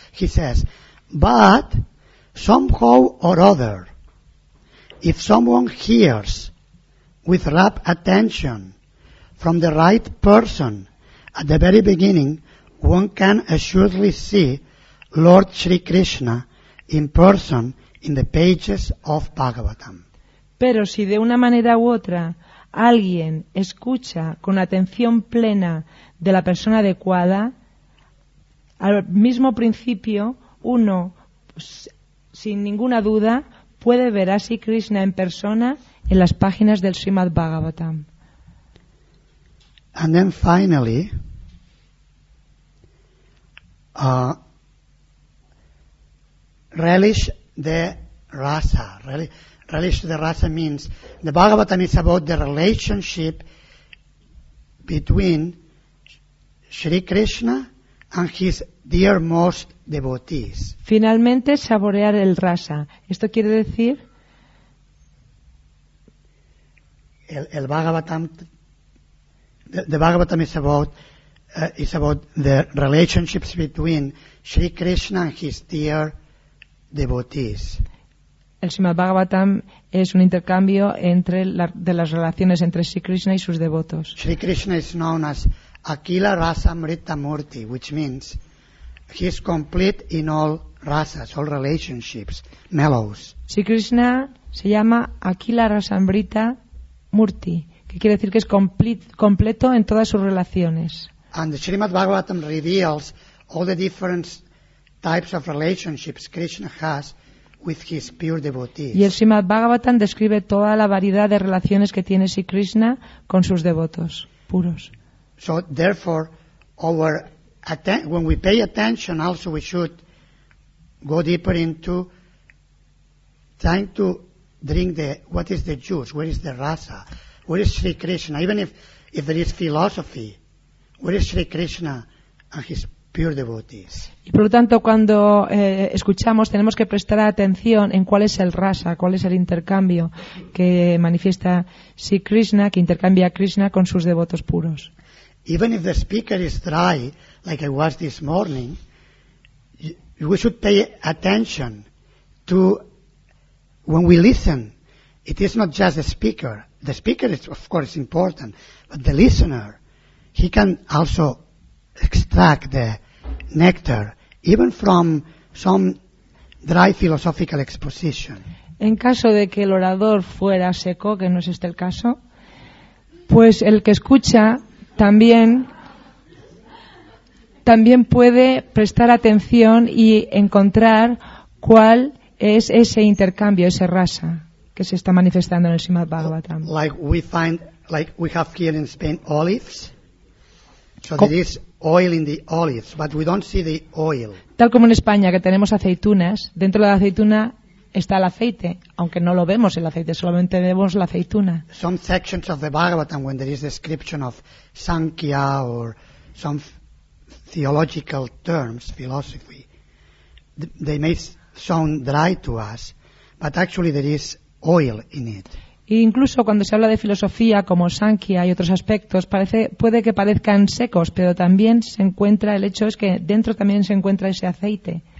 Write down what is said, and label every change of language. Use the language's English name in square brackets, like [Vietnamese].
[English] He says, but somehow or other, if someone hears with rapt attention from the right person at the very beginning, one can assuredly see Lord Sri Krishna in person in the pages of Bhagavatam. [Spanish] Pero si de una manera u otra alguien escucha con atención plena de la persona adecuada, al mismo principio, uno, sin ninguna duda, puede ver a Sri Krishna en persona en las páginas del Srimad Bhagavatam. [English] And then finally, relish the rasa. Relish the rasa means the Bhagavatam is about the relationship between Sri Krishna and his dear most devotees. [Spanish] Finalmente, saborear el rasa. Esto quiere decir el Bhagavatam. [English] The Bhagavatam is about the relationships between Sri Krishna and his dear devotees. [Spanish] El Srimad Bhagavatam es un intercambio entre las relaciones entre Sri Krishna y sus devotos. [English] Sri Krishna is known as Akila Rasa Amrita Murti, which means he is complete in all rasas, all relationships, mellows. [Spanish] Sri Krishna se llama Akila Rasa Amrita Murti, que quiere decir que es completo en todas sus relaciones. [English] And the Srimad Bhagavatam reveals all the different types of relationships Krishna has with his pure devotees. [Spanish] Y el Srimad Bhagavatam describe toda la variedad de relaciones que tiene Sri Krishna con sus devotos puros. [English] So therefore, when we pay attention, also we should go deeper into trying to drink what is the juice, where is the rasa, where is Sri Krishna. Even if there is philosophy, where is Sri Krishna and his pure devotees? [Spanish] Y por lo tanto, cuando escuchamos, tenemos que prestar atención en cuál es el rasa, cuál es el intercambio que manifiesta Sri Krishna, que intercambia a Krishna con sus devotos puros. [English] Even if the speaker is dry, like I was this morning, we should pay attention to when we listen. It is not just the speaker. The speaker is, of course, important, but the listener, he can also extract the nectar, even from some dry philosophical exposition. [Spanish] En caso de que el orador fuera seco, que no es este el caso, pues el que escucha también puede prestar atención y encontrar cuál es ese intercambio, ese rasa que se está manifestando en el Srimad Bhagavatam. [English] Like we have here in Spain olives, so there is oil in the olives, but we don't see the oil. [Spanish] Tal como en España que tenemos aceitunas, dentro de la aceituna está el aceite, aunque no lo vemos el aceite, solamente vemos la aceituna. [English] Some sections of the Bhagavatam, when there is description of Sankhya or some theological terms, philosophy, they may sound dry to us, but actually there is oil in it. [Spanish] E incluso cuando se habla de filosofía como Sankhya y otros aspectos, puede que parezcan secos, pero también se encuentra, el hecho es que dentro también se encuentra ese aceite.